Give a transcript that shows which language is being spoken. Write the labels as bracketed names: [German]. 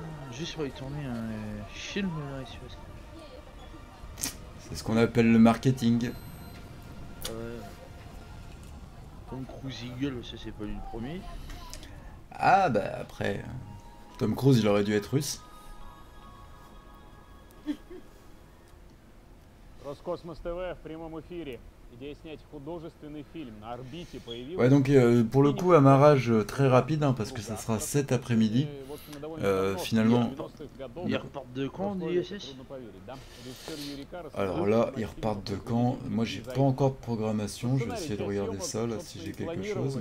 [French] Juste pour y tourner un film là, espèce. C'est ce qu'on appelle le marketing. Tom Cruise Eagle, ça c'est pas lui le premier. Ah bah après, Tom Cruise il aurait dû être russe. Oh [Russian] Роскосмос ТВ в прямом эфире. Идея снять художественный фильм на орбите появилась. [French] Ouais, donc pour le coup, amarrage très rapide, hein, parce que ça sera cet après-midi. Finalement, ils repartent de quand, l'ISS ? Alors là, ils repartent de quand ? Moi, j'ai pas encore de programmation. Je vais essayer de regarder ça, là, si j'ai quelque chose.